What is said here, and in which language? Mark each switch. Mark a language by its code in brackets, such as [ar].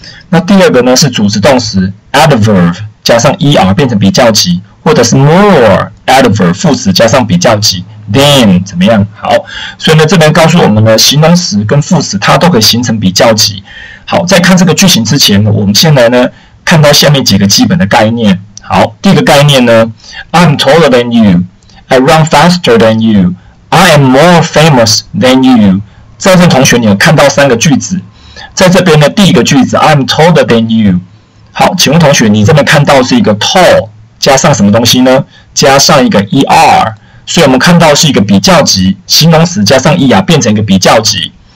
[zh] 那第二个呢是主词动词 adverb 加上 er 变成比较级，或者是 more adverb 副词加上比较级 than 怎么样。好，所以呢这边告诉我们呢，形容词跟副词它都可以形成比较级。好，在看这个句型之前呢，我们先来呢看到下面几个基本的概念。好，第一个概念呢， [en] I'm taller than you, I run faster than you, I am more famous than you。 [zh] 赵正同学，你有看到三个句子在这边呢。第一个句子 [en] I'm taller than you， [zh] 好，请问同学，你这边看到是一个 tall 加上什么东西呢？加上一个 er， 所以我们看到是一个比较级，形容词加上 er 变成一个比较级。